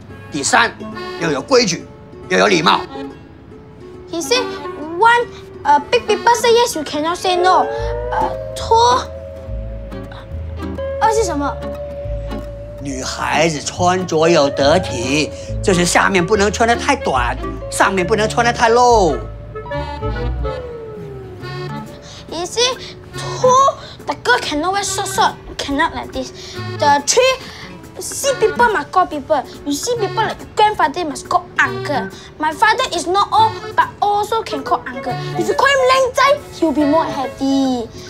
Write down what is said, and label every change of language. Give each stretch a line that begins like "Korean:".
Chinese: 第三，要有规矩，要有礼貌。
English: He said one, big people say yes, you cannot say no. Two,
Chinese: 二是什么？女孩子穿着有得体，就是下面不能穿得太短，上面不能穿得太露。
English: You see, two, the girl cannot wear short short, cannot like this. The three, see people must call people. You see people like grandfather must call uncle. My father is not old, but also can call uncle. If you call him 靓仔, he'll be more happy.